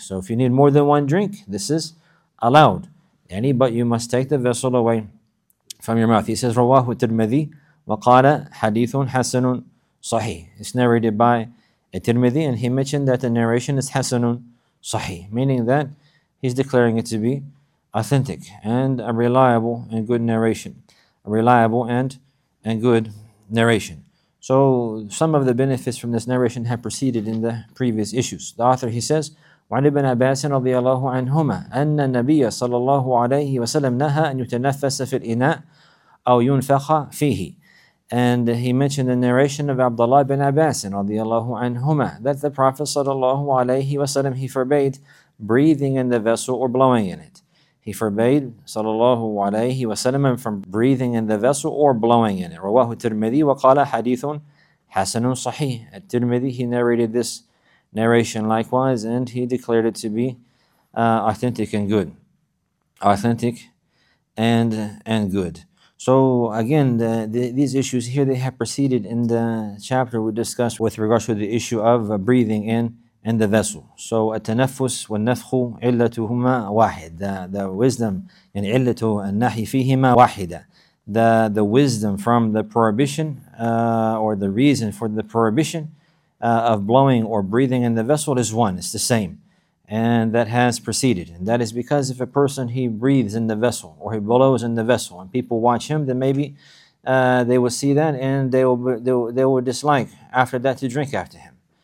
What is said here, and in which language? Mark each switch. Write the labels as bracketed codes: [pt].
[en] So if you need more than one drink, this is allowed. But you must take the vessel away from your mouth. He says, [ar] رَوَاهُ تِرْمِذِي وَقَالَ حَدِيثٌ حَسَنٌ صَحِيٌ [en] It's narrated by Tirmidhi, and he mentioned that the narration is [ar] حَسَنٌ صَحِيٌ [en] meaning that he's declaring it to be authentic and a reliable and good narration. A reliable and good narration. So some of the benefits from this narration have proceeded in the previous issues. The author, he says, [ar] وَعَنِ بْنَ عَبَاسٍ رَضِيَ اللَّهُ عَنْهُمَا أَنَّ النَّبِيَّ صَلَى اللَّهُ عَلَيْهِ وَسَلَمْ نَهَا أَنْ يُتَنَفَّسَ فِي الْإِنَاءِ أَوْ يُنْفَخَ فِيهِ [en] And he mentioned the narration of Abdullah ibn Abbasin [ar] رَضِيَ اللَّهُ عَنْهُمَا [en] that the Prophet [ar] صَلَى اللَّهُ عَلَيْهِ وَسَلَمْ [en] he forbade breathing in the vessel or blowing in it. He forbade sallallahu alayhi wa sallam from breathing in the vessel or blowing in it. [ar] رَوَاهُ تِرْمِذِي وَقَالَ حَدِيثٌ حَسَنٌ صَحِيحٌ [en] At-Tirmidhi, he narrated this narration likewise, and he declared it to be authentic and good. Authentic and good. So again, these issues here, they have proceeded in the chapter we discussed with regards to the issue of breathing in the vessel. [ar] So التنفس والنفخ علتهما واحد. [en] The wisdom in [ar] علت النحي فيهما واحدة. [en] The wisdom from the prohibition or the reason for the prohibition of blowing or breathing in the vessel is one, it's the same. And that has proceeded. And that is because if a person, he breathes in the vessel or he blows in the vessel and people watch him, then maybe they will see that and they will dislike after that to drink after him.